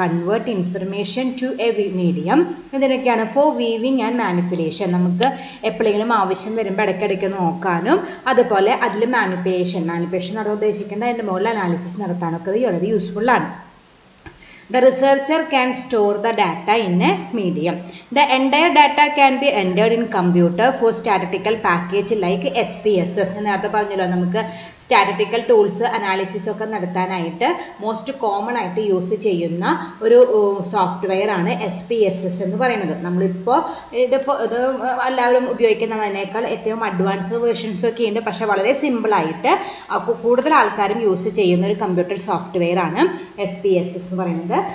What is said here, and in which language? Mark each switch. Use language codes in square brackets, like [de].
[en] convert information to a medium [ml] എന്തിനൊക്കെയാണ്, [en] For viewing and manipulation. [ml] നമുക്ക് എപ്പോഴെങ്കിലും ആവശ്യം വരുമ്പോൾ ഇടയ്ക്കിടയ്ക്ക് നോക്കാനും അതുപോലെ അതിൽ മാനിപ്പുലേഷൻ നടത്താൻ ഉദ്ദേശിക്കുന്നത് അതിൻ്റെ മുകളിൽ അനാലിസിസ് നടത്താനൊക്കെ ഇത് വളരെ യൂസ്ഫുൾ ആണ്. [en] The researcher can store the data in a medium. The entire data can be entered in computer for statistical package like SPSS. [ml] നേരത്തെ പറഞ്ഞല്ലോ, നമുക്ക് സ്റ്റാറ്റിറ്റിക്കൽ ടൂൾസ് അനാലിസിസ് ഒക്കെ നടത്താനായിട്ട് മോസ്റ്റ് കോമൺ ആയിട്ട് യൂസ് ചെയ്യുന്ന ഒരു സോഫ്റ്റ്വെയറാണ് SPSS എന്ന് പറയുന്നത്. നമ്മളിപ്പോൾ ഇതിപ്പോൾ ഇത് എല്ലാവരും ഉപയോഗിക്കുന്നതിനേക്കാൾ ഏറ്റവും അഡ്വാൻസ്ഡ് വേർഷൻസ് ഒക്കെ ഉണ്ട്, പക്ഷേ വളരെ സിമ്പിളായിട്ട് കൂടുതൽ ആൾക്കാരും യൂസ് ചെയ്യുന്ന ഒരു കമ്പ്യൂട്ടർ സോഫ്റ്റ്വെയറാണ് SPSS എന്ന് പറയുന്നത്.